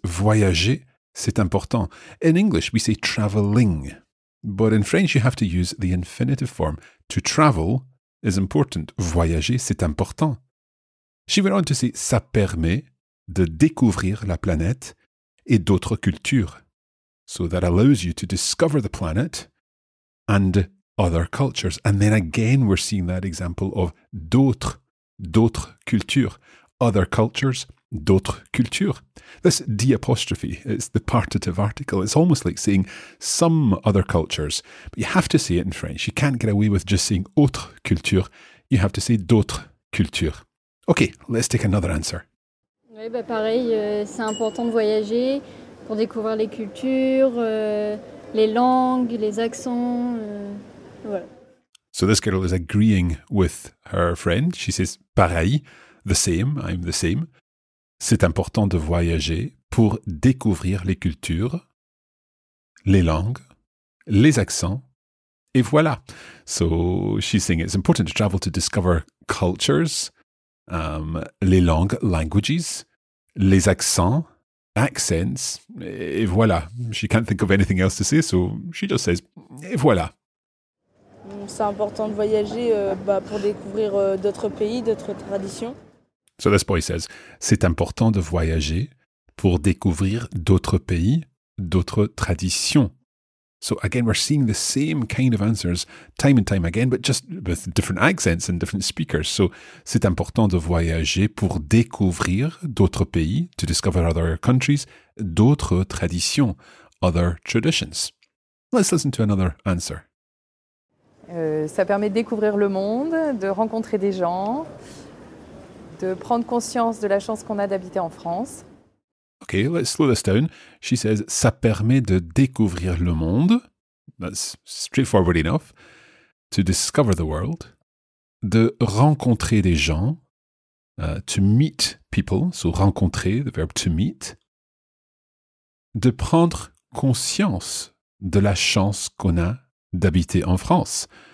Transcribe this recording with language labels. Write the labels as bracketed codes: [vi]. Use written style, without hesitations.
[fr] Voyager, c'est important. [en] In English, we say traveling. But in French, you have to use the infinitive form. To travel is important. [fr] Voyager, c'est important. [en] She went on to say, [fr] ça permet de découvrir la planète et d'autres cultures. [en] So that allows you to discover the planet and other cultures. And then again, we're seeing that example of d'autres cultures. Other cultures, [fr] d'autres cultures. [en] This D apostrophe, it's the partitive article. It's almost like saying some other cultures. But you have to say it in French. You can't get away with just saying [fr] autres cultures. [en] You have to say [fr] d'autres cultures. [en] Okay, let's take another answer. [fr] Oui, bah pareil, c'est important de voyager pour découvrir les cultures, les langues, les accents, voilà. [en] So this girl is agreeing with her friend. She says, pareil, the same, I'm the same. [fr] C'est important de voyager pour découvrir les cultures, les langues, les accents, et voilà. [en] So she's saying it's important to travel to discover cultures, [fr] les langues, [en] languages, [fr] les accents, [en] accents, [fr] et voilà. [en] She can't think of anything else to say, so she just says, [fr] et voilà. C'est important de voyager pour découvrir d'autres pays, d'autres traditions. [en] So this boy says, [fr] c'est important de voyager pour découvrir d'autres pays, d'autres traditions. [en] So again, we're seeing the same kind of answers time and time again, but just with different accents and different speakers. [fr] So c'est important de voyager pour découvrir d'autres pays, [en] to discover other countries, [fr] d'autres traditions, [en] other traditions. Let's listen to another answer. [fr] Ça permet de découvrir le monde, de rencontrer des gens, de prendre conscience de la chance qu'on a d'habiter en France. [en] OK, let's slow this down. She says, [fr] ça permet de découvrir le monde. [en] That's straightforward enough. To discover the world. [fr] De rencontrer des gens. [en] To meet people, so rencontrer, the verb to meet. [fr] De prendre conscience de la chance qu'on a d'habiter en France.